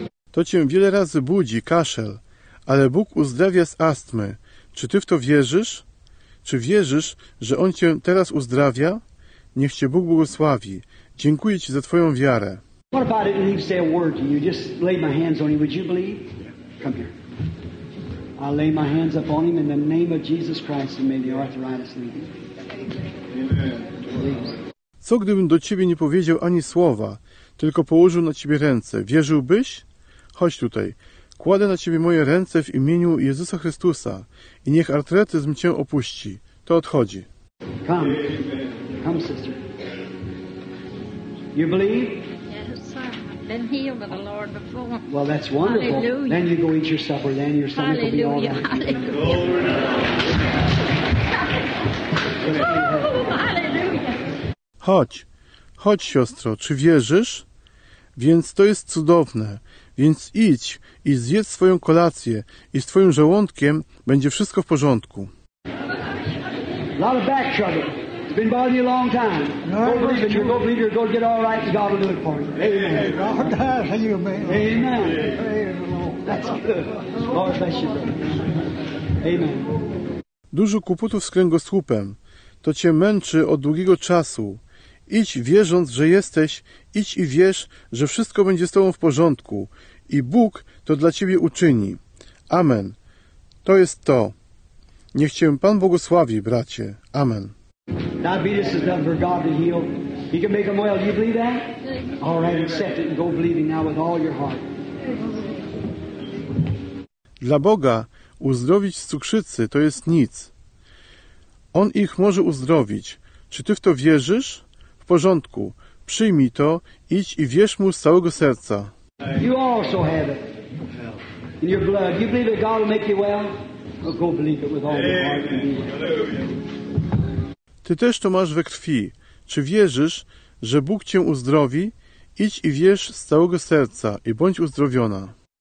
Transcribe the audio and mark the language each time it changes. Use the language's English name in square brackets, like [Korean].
[Polish] To cię wiele razy budzi, kaszel, ale Bóg uzdrawia z astmy. Czy ty w to wierzysz? Czy wierzysz, że On cię teraz uzdrawia? Niech cię Bóg błogosławi. Dziękuję ci za twoją wiarę. [English] What about it? Didn't say a word to you. Just lay my hands on him. Would you believe? Come here. I lay my hands upon him in the name of Jesus Christ and may the arthritis leave him. [Polish] Co gdybym do ciebie nie powiedział ani słowa, tylko położył na ciebie ręce? Wierzyłbyś? Chodź tutaj. Kładę na ciebie moje ręce w imieniu Jezusa Chrystusa i niech artretyzm cię opuści. To odchodzi. [English] Come. Come, sister. You believe? Yes, sir. Been healed of the Lord before. Well, that's wonderful. Hallelujah. Then you go eat your supper. Then your stomach Hallelujah. Will be all right. [Polish] Chodź, chodź siostro, czy wierzysz? Więc to jest cudowne, więc idź i zjedz swoją kolację i z twoim żołądkiem będzie wszystko w porządku. [English] A lot of back trouble. It's been bothering you a long time. No, go believe it, you go believe it, go get all right and God will do it for you. Amen. Amen. Amen. Amen. Amen. That's good. Lord bless you, brother. Amen. [Polish] Dużo kłopotów z kręgosłupem. To cię męczy od długiego czasu. Idź wierząc, że jesteś, idź i wierz, że wszystko będzie z tobą w porządku. i Bóg to dla ciebie uczyni. Amen. To jest to. Niech cię Pan błogosławi, bracie. Amen. [English] Diabetes is done for God to heal. He can make them well. Do you believe that? All right, accept it and go believing now with all your heart. [Polish] Dla Boga uzdrowić z cukrzycy to jest nic. On ich może uzdrowić. Czy ty w to wierzysz? W porządku. Przyjmij to, idź i wierz mu z całego serca. [English] You also have it in your blood. You believe that God will make you well? Go believe it with all your heart. [Polish] Ty też to masz we krwi. Czy wierzysz, że Bóg cię uzdrowi? Idź i wierz z całego serca i bądź uzdrowiona.